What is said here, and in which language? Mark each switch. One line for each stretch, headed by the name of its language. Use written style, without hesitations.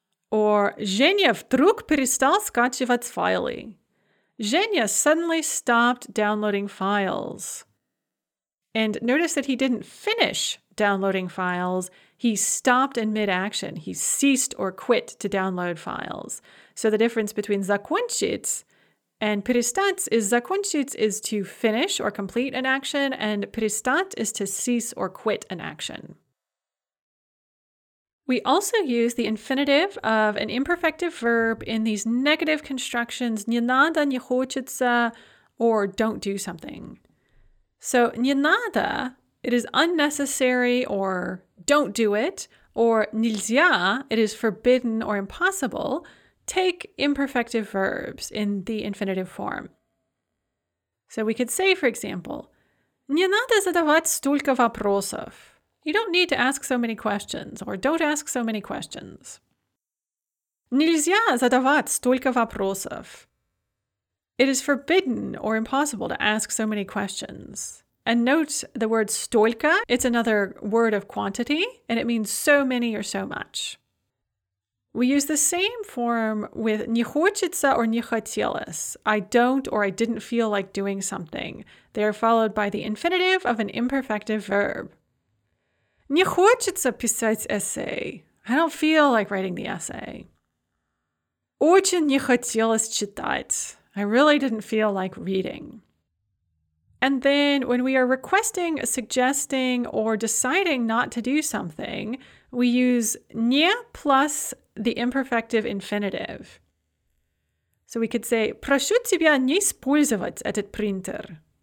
Russian: Or Женя вдруг перестал скачивать файлы.
English: Женя suddenly stopped downloading files. And notice that he didn't finish downloading files. He stopped in mid-action. He ceased or quit to download files. So the difference between закончить and перестать is закончить is to finish or complete an action, and перестать is to cease or quit an action. We also use the infinitive of an imperfective verb in these negative constructions,
Russian: не надо, не хочется,
English: or don't do something. So, не надо, it is unnecessary, or don't do it, or нельзя, it is forbidden or impossible, take imperfective verbs in the infinitive form. So we could say, for example,
Russian: не надо задавать столько вопросов.
English: You don't need to ask so many questions, or don't ask so many questions.
Russian: Нельзя задавать столько вопросов.
English: It is forbidden or impossible to ask so many questions. And note the word столько, it's another word of quantity, and it means so many or so much. We use the same form with не хочется or не хотелось. I don't or I didn't feel like doing something. They are followed by the infinitive of an imperfective verb.
Russian: Не хочется писать эссе.
English: I don't feel like writing the essay.
Russian: Очень не хотелось читать.
English: I really didn't feel like reading. And then when we are requesting, suggesting, or deciding not to do something, we use не plus the imperfective infinitive. So we could say,
Russian: прошу тебя не использовать этот принтер.